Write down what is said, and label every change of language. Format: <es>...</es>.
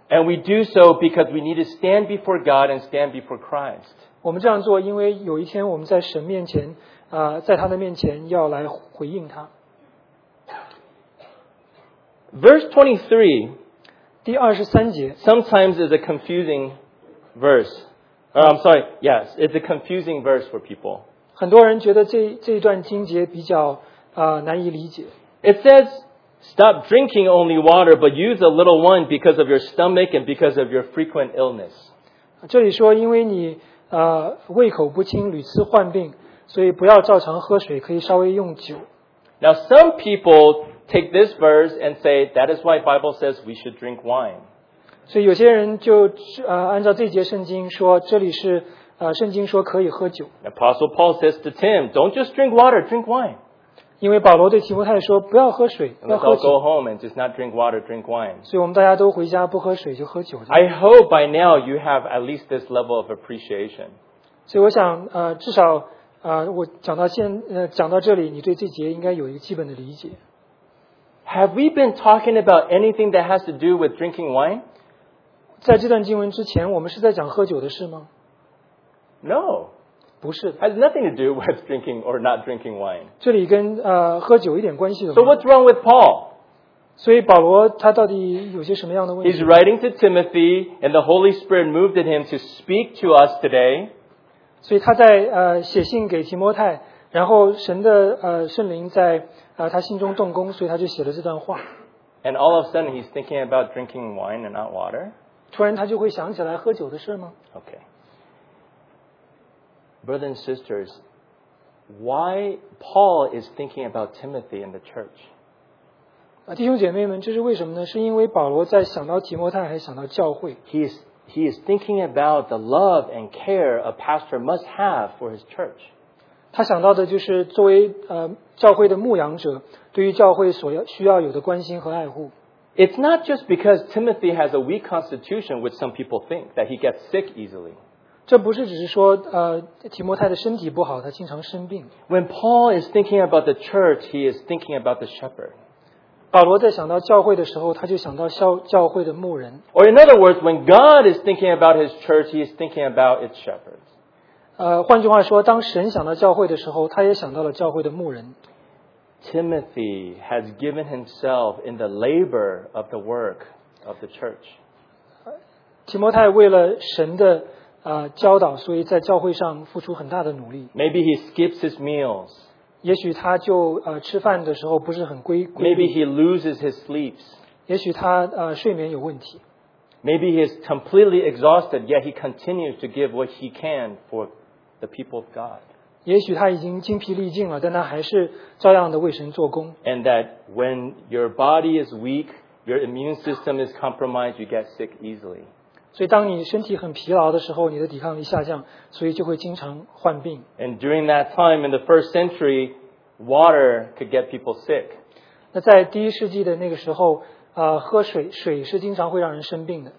<en>And we do so because we need to stand before God and stand before Christ.</en> <zh>我们这样做，因为有一天我们在神面前。在他的面前要来回应他。</zh> <en>Verse</en> <zh>23, 第23节</zh> <en>sometimes is a confusing verse. Or, I'm sorry, yes, it's a confusing verse for people.</en> <zh>很多人觉得这一段经节比较难以理解。</zh> <en>It says, stop drinking only water, but use a little wine because of your stomach and because of your frequent illness.</en> <zh>这里说因为你胃口不清，屡次患病，所以不要照常喝水，可以稍微用酒。</zh> <en>Now some people take this verse and say that is why Bible says we should drink wine.</en> <zh>所以有些人就按照这节圣经说，这里是圣经说可以喝酒。</zh> <en>Apostle Paul says to Tim, don't just drink water, drink wine.</en> <zh>因为保罗对提摩太说不要喝水，要喝酒。</zh> <en>Let's all go home and just not drink water, drink wine.</en> <zh>所以我们大家都回家不喝水就喝酒。</zh> <en>I hope by now you have at least this level of appreciation.</en> <zh>所以我想至少我讲到现讲到这里，你对这节应该有一个基本的理解。</zh> <en>Have we been talking about anything that has to do with drinking wine?</en> <zh>在这段经文之前，我们是在讲喝酒的事吗？</zh> <en>No.</en> <zh>不是。</zh> <en>It has nothing to do with drinking or not drinking wine.</en> <zh>这里跟喝酒一点关系都没</zh> <en>有。So what's wrong with Paul?</en> <zh>所以保罗他到底有些什么样的问题？</zh> <en>He's writing to Timothy and the Holy Spirit moved at him to speak to us today.</en> <zh>所以他在写信给提摩太，然后神的圣灵在他心中动工，所以他就写了这段话。</zh> <en>And all of a sudden he's thinking about drinking wine and not water?</en> <zh>突然他就会想起来喝酒的事吗？</zh> <en>Okay. Brothers and sisters, why Paul is thinking about Timothy and the church?</en> <zh>弟兄姐妹们，这是为什么呢？是因为保罗在想到提摩太还想到教会。</zh> <en>He is thinking about the love and care a pastor must have for his church.</en> <zh>他想到的就是作为教会的牧养者对于教会所需要有的关心和爱护。</zh> <en>It's not just because Timothy has a weak constitution, which some people think, that he gets sick easily.</en> <zh>这不是只是说提摩太的身体不好，他经常生病。</zh> <en>When Paul is thinking about the church, he is thinking about the shepherd.</en> <zh>保罗在想到教会的时候，他就想到教会的牧人。</zh> <en>Or in other words, when God is thinking about his church, he is thinking about its shepherds.</en> <zh>换句话说，当神想到教会的时候，他也想到了教会的牧人。</zh> <en>Timothy has given himself in the labor of the work of the church.</en> <zh>提摩太为了神的教导，所以在教会上付出很大的努力。</zh> <en>Maybe he skips his meals.</en> <zh>也许他就吃饭的时候不是很规律。</zh> <en>Maybe he loses his sleeps.</en> <zh>也许他睡眠有问题。</zh> <en>Maybe he is completely exhausted, yet he continues to give what he can for the people of God.</en> <zh>也许他已经精疲力尽了，但他还是照样的为神做工。</zh> <en>And that when your body is weak, your immune system is compromised, you get sick easily.</en> <zh>所以当你身体很疲劳的时候，你的抵抗力下降，所以就会经常患病。</zh> <en>And during that time in the first century, water could get people sick.</en> <zh>那在第一世纪的那个时候，喝水是经常会让人生病的。</zh>